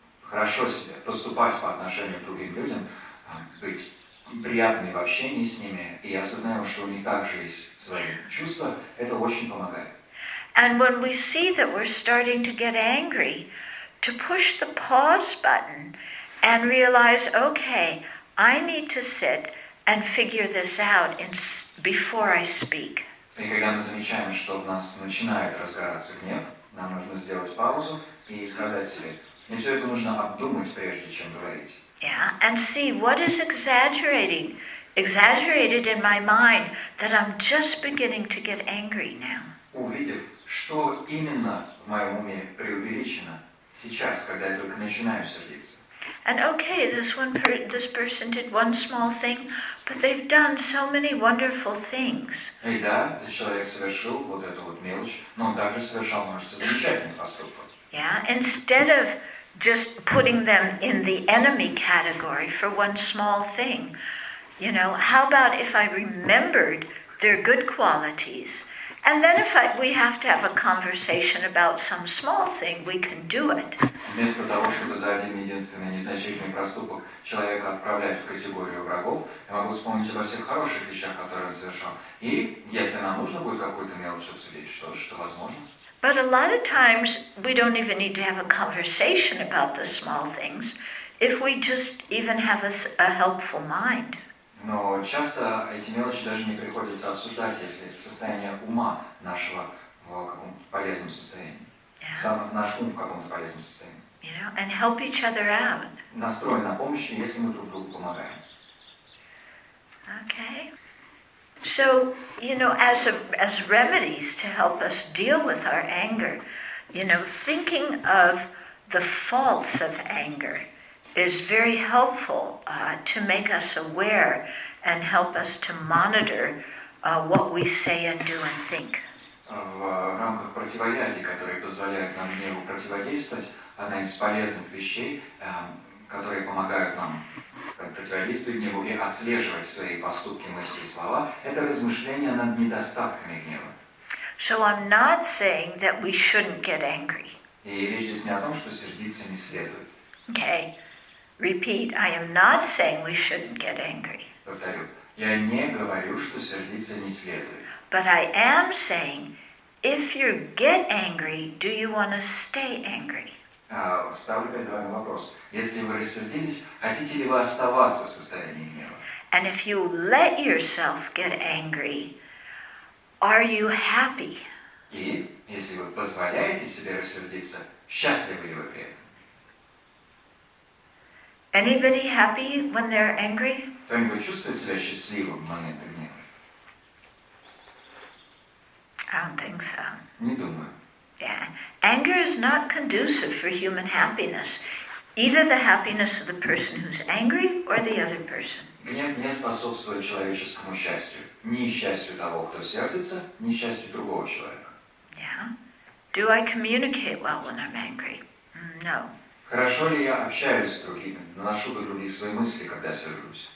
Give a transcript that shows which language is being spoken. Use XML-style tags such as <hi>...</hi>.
<ru>Хорошо себе поступать по отношению к другим людям, быть приятными в общении с ними, и осознаем, что у них также есть свои чувства, это очень помогает.</ru> <en>And when we see that we're starting to get angry, to push the pause button and realize, okay, I need to sit and figure this out before I speak.</en> <ru>И когда мы замечаем, что у нас начинает разгораться гнев, нам нужно сделать паузу и сказать себе, мне все это нужно обдумать, прежде чем говорить.</ru> <en>Yeah, and see what is exaggerated in my mind that I'm just beginning to get angry now.</en> <ru>Увидев, что именно в моем уме преувеличено сейчас, когда я только начинаю сердиться.</ru> <en>And okay, this person did one small thing, but they've done so many wonderful things.</en> <ru>И да, этот человек совершил вот эту вот мелочь, но он также совершал множество замечательных поступков.</ru> <en>Yeah, instead of just putting them in the enemy category for one small thing, you know, how about if I remembered their good qualities And then if we have to have a conversation about some small thing, we can do it.</en> <ru>Вместо того, чтобы за один единственный незначительный проступок человека отправлять в категорию врагов, я могу вспомнить обо всех хороших вещах, которые он совершал. И если нам нужно будет какую-то мелочь обсудить, что ж, это возможно.</ru> <en>But a lot of times we don't even need to have a conversation about the small things if we just even have a helpful mind.</en> <ru>Но часто эти мелочи даже не приходится обсуждать, если состояние ума нашего в каком-то полезном состоянии.</ru> <en>Yeah.</en> <ru>Сам наш ум в каком-то полезном состоянии.</ru> <en>You know, and help each other out.</en> <ru>Настрой на помощь, если мы друг другу помогаем.</ru> <en>Okay. So, you know, as remedies to help us deal with our anger, you know, thinking of the faults of anger is very helpful to make us aware and help us to monitor what we say and do and think.</en> <ru>В рамках противоядий, которые позволяют нам гневу противодействовать, одна из полезных вещей, которые помогают нам противодействовать гневу и отслеживать свои поступки, мысли и слова, это размышление над недостатками гнева.</ru> <en>So I'm not saying that we shouldn't get angry.</en> <ru>И речь здесь не о том, что сердиться не следует.</ru> <en>Okay. Repeat, I am not saying we shouldn't get angry.</en> <ru>Повторю, я не говорю, что сердиться не следует.</ru> <en>But I am saying, if you get angry, do you want to stay angry?</en> <ru>Ставлю перед вами вопрос. Если вы рассердились, хотите ли вы оставаться в состоянии гнева?</ru> <en>And if you let yourself get angry, are you happy?</en> <ru>И если вы позволяете себе рассердиться, счастливы ли вы при этом?</ru> <en>Anybody happy when they're angry?</en> <ru>Кто-нибудь чувствует себя счастливым в момент гнева?</ru> <en>I don't think so.</en> <ru>Не думаю.</ru> <en>Yeah. Anger is not conducive for human happiness. Either the happiness of the person who's angry or the other person.</en> <ru>Гнев не способствует человеческому счастью. Ни счастью того, кто сердится, ни счастью другого человека.</ru> <en>Yeah. Do I communicate well when I'm angry? No.</en> <ru>Хорошо ли я общаюсь с другими, наношу до других свои мысли, когда сержусь?</ru>